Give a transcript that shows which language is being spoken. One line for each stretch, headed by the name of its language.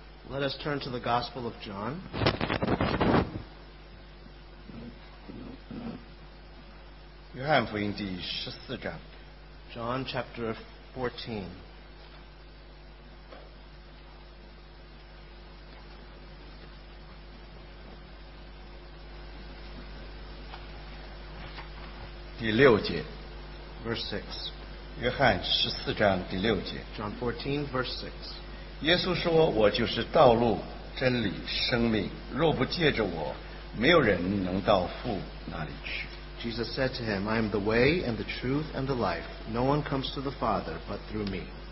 English: Let us turn to the Gospel of John.
Chinese: John 福音第十四章。
English: John chapter 14.
Chinese: 第六节
English: Verse 6
Chinese: 约翰十四章第六节
English: John 14 verse 6
Chinese: 耶稣说我就是道路真理生命若不借着我没有人能到父那里去
English: Jesus said to him I am the way and the truth and the life No one comes to the Father but through me